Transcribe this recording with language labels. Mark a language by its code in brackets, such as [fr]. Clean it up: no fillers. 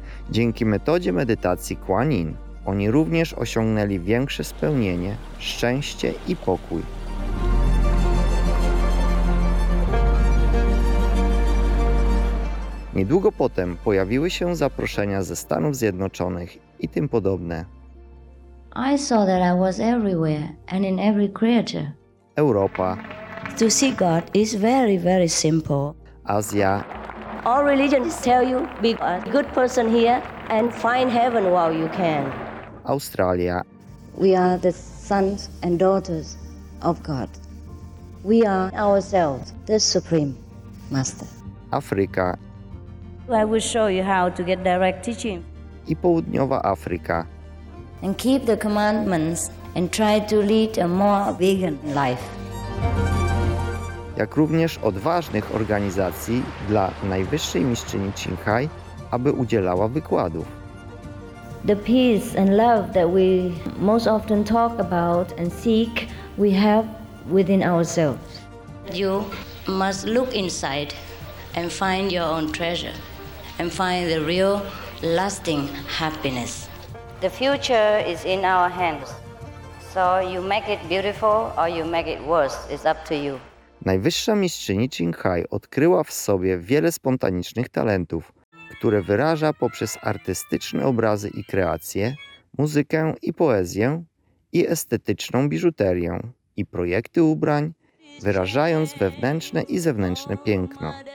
[pl] Dzięki metodzie medytacji Kuan Yin, oni również osiągnęli większe spełnienie, szczęście i pokój. Niedługo potem pojawiły się zaproszenia ze Stanów Zjednoczonych i tym podobne. [en] I saw that I was everywhere and in every creature. [pl] Europa. [en] To see God is very, very simple. [pl] Azja. [en] All religions tell you be a good person here and find heaven while you can. [pl] Australia. [en] We are the sons and daughters of God. We are ourselves, the Supreme Master. [pl] Afryka. [en] I will show you how to get direct teaching. [pl] I południowa Afryka. [en] And keep the commandments and try to lead a more vegan life. [pl] Jak również odważnych organizacji dla najwyższej mistrzyni Ching Hai, aby udzielała wykładów. [en] The peace and love that we most often talk about and seek, we have within ourselves. You must look inside and find your own treasure. And find the real, lasting happiness. The future is in our hands. So you make it beautiful or you make it worse. It's up to you. [pl] Najwyższa mistrzyni Ching Hai odkryła w sobie wiele spontanicznych talentów, które wyraża poprzez artystyczne obrazy i kreacje, muzykę i poezję, i estetyczną biżuterię, i projekty ubrań, wyrażając wewnętrzne i zewnętrzne piękno.